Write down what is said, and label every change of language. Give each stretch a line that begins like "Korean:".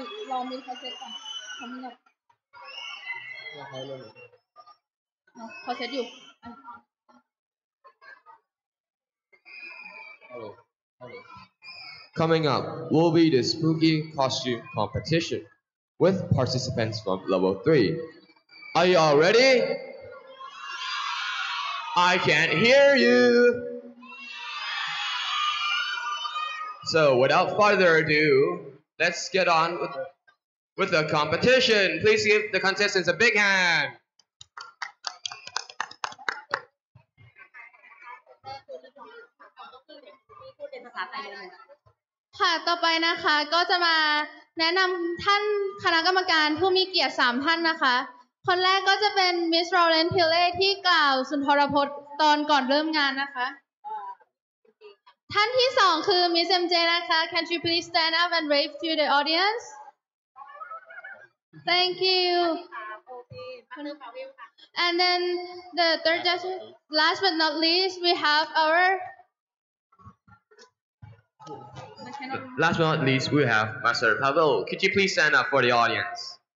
Thai: รอมีใครเสร็จก่อนทำหน่อยขอเซตอยู่
English: Coming up will be the spooky costume competition with participants from level 3. Are you all ready? I can't hear you. So without further ado, let's get on with the competition. Please give the contestants a big hand.
Thai: ค่ะต่อไปนะคะก็จะมาแนะนำท่านคณะกรรมการผู้มีเกียรติ3ท่านนะคะคนแรกก็จะเป็นมิสโรเลนพิเล่ที่กล่าวสุนทรพจน์ตอนก่อนเริ่มงานนะคะท่านที่2คือมิสเอ็มเจนะคะ
English: Can you please stand up and wave to the audienceThank you. And then the third judge, last but not least, we have our... Last but not least, we have Master Pavel. Could you please stand up for the audience?